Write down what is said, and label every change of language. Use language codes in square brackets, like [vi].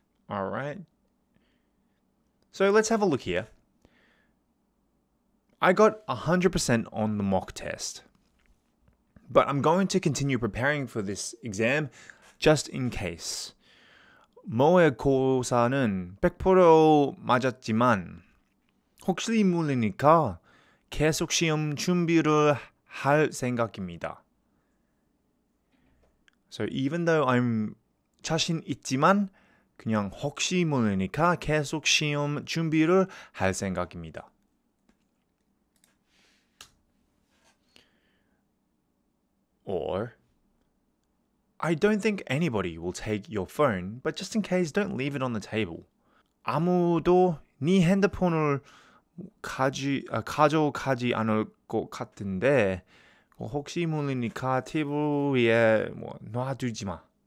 [en] All right. So let's have a look here. I got 100% on the mock test. But I'm going to continue preparing for this exam just in case. [ko] 모의 고사는 100% 맞았지만 혹시 모르니까 계속 시험 준비를 할 생각입니다. [en] So even though I'm [ko] 자신 있지만 그냥 혹시 모르니까 계속 시험 준비를 할 생각입니다. [en] 오어 I don't think anybody will take your phone, but just in case, don't leave it on the table. [ko] 아무도 네 핸드폰을 가져가지 않을 것 같은데 혹시 모르니까 테이블 위에 뭐 놔두지 마.